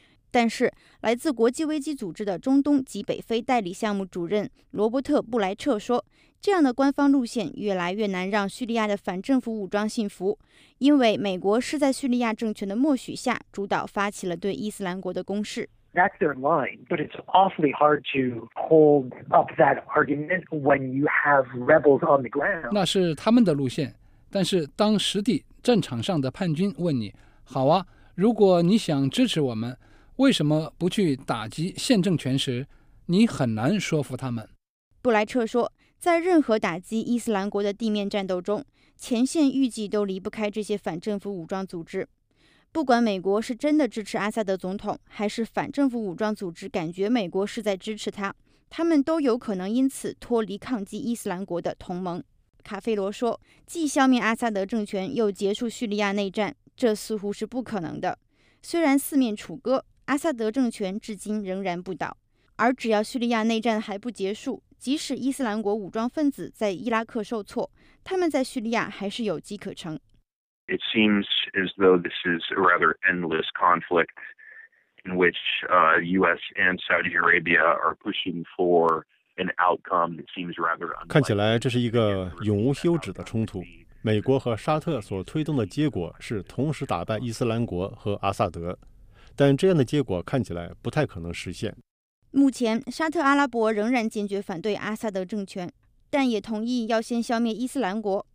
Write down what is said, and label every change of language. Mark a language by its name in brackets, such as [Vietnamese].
[Chinese] 但是，来自国际危机组织的中东及北非代理项目主任罗伯特·布莱彻说，这样的官方路线越来越难让叙利亚的反政府武装信服，因为美国是在叙利亚政权的默许下主导发起了对伊斯兰国的攻势。 [English] That's their line, but it's awfully hard to hold up that argument when you have rebels on the ground. [Chinese] 那是他们的路线，但是当实地战场上的叛军问你，好啊，如果你想支持我们，为什么不去打击现政权时，你很难说服他们。布莱彻说，在任何打击伊斯兰国的地面战斗中，前线预计都离不开这些反政府武装组织。不管美国是真的支持阿萨德总统，还是反政府武装组织感觉美国是在支持他，他们都有可能因此脱离抗击伊斯兰国的同盟。卡菲罗说，既消灭阿萨德政权，又结束叙利亚内战，这似乎是不可能的。虽然四面楚歌，阿萨德政权至今仍然不倒，而只要叙利亚内战还不结束，即使伊斯兰国武装分子在伊拉克受挫，他们在叙利亚还是有机可乘。 [English] It seems as though this is a rather endless conflict in which US and Saudi Arabia are pushing for an outcome that seems rather unlikely. [Chinese] 看起来这是一个永无休止的冲突。美国和沙特所推动的结果是同时打败伊斯兰国和阿萨德，但这样的结果看起来不太可能实现。目前，沙特阿拉伯仍然坚决反对阿萨德政权，但也同意要先消灭伊斯兰国。